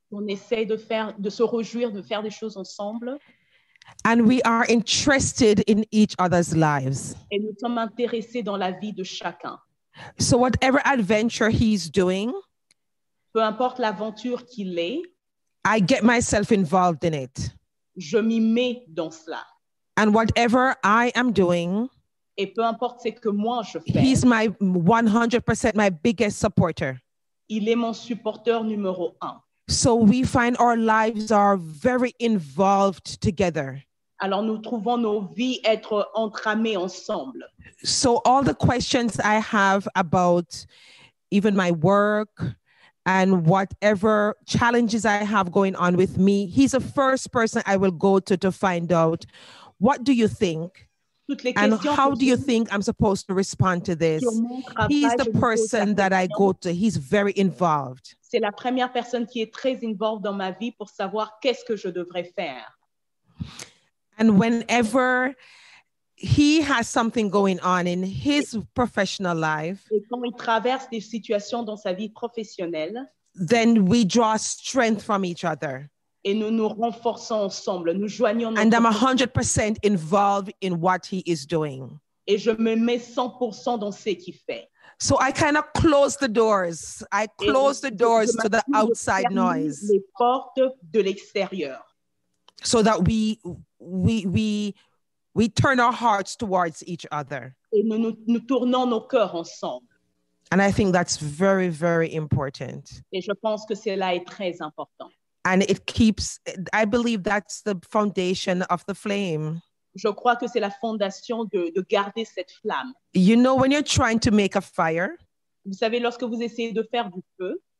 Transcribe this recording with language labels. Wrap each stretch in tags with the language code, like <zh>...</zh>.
<fr>On essaie de faire, de se réjouir, de faire des choses ensemble.</fr> <en>And we are interested in each other's lives.</en> <fr>Et nous sommes intéressés dans la vie de chacun.</fr> <en>So whatever adventure he's doing,</en> <fr>peu importe l'aventure qu'il est,</fr> <en>I get myself involved in it.</en> <fr>Je m'y mets dans cela.</fr> <en>And whatever I am doing,</en> <fr>et peu importe ce que moi je fais,</fr> <en>he's my 100% my biggest supporter.</en> <fr>Il est mon supporteur numéro un.</fr> <en>So we find our lives are very involved together.</en> <fr>Alors nous trouvons nos vies être entramées ensemble.</fr> <en>So all the questions I have about even my work and whatever challenges I have going on with me, he's the first person I will go to find out, what do you think? And how do you think I'm supposed to respond to this? He's the person that I go to. He's very involved.</en> <fr>C'est la première personne qui est très involved dans ma vie pour savoir qu'est-ce que je devrais faire.</fr> <en>And whenever he has something going on in his professional life,</en> <fr>et quand il traverse des situations dans sa vie professionnelle,</fr> <en>then we draw strength from each other.</en> <fr>Et nous nous renforçons ensemble, nous joignons.</fr> <en>And I'm 100% involved in what he is doing.</en> <fr>Et je me mets 100% dans ce qu'il fait.</fr> <en>So I kind of close the doors. I close the doors to the outside noise.</en> <fr>Les portes de l'extérieur.</fr> <en>So that we turn our hearts towards each other.</en> <fr>Et nous tournons nos cœurs ensemble.</fr> <en>And I think that's very, very important.</en> <fr>Et je pense que cela est très important.</fr> <en>And it keeps, I believe that's the foundation of the flame.</en> <fr>Je crois que c'est la fondation de garder cette flamme.</fr> <en>You know, when you're trying to make a fire,</en> <fr>vous savez, lorsque vous essayez de faire du feu,</fr>